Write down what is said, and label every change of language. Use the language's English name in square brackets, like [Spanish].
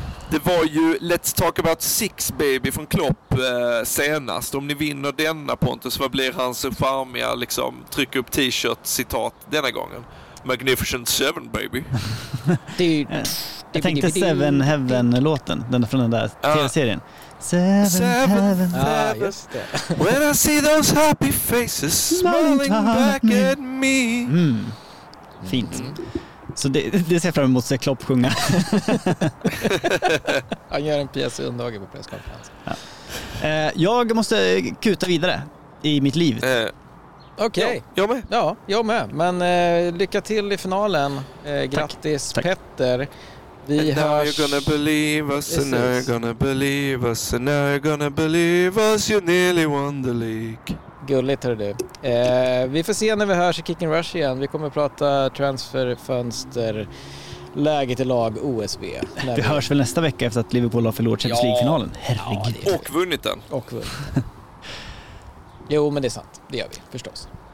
[Swedish] Det var ju [English] Let's Talk About Six Baby [Swedish] från Klopp senast. Om ni vinner denna, Pontus, vad blir hans charmiga liksom, tryck upp t-shirt-citat denna gången? [English] Magnificent Seven Baby. Jag tänkte Seven Heaven-låten, den från den där tv-serien. Seven Heaven. When I see those happy faces smiling back at me. [Swedish] Fint. Så det ser jag fram emot att se Klopp sjunga. Han gör en pjäs i undage på presskonferens. Ja. Jag måste kuta vidare i mitt liv. Okej. Okay. Jag med. Ja, jag med. Men lycka till i finalen. Grattis. Tack. Petter. Vi and hörs. [English] Now you're gonna believe us, and now you're gonna believe us, and now you're gonna believe us, you nearly won the league. [Swedish] Gulligt, hör du. Vi får se när vi hörs i Kick and Rush igen. Vi kommer att prata transferfönster, läge till lag, OSB. Vi hörs väl nästa vecka efter att Liverpool har förlorat Champions League-finalen. Herregud. Ja, och vunnit den. Jo, men det är sant. Det gör vi, förstås.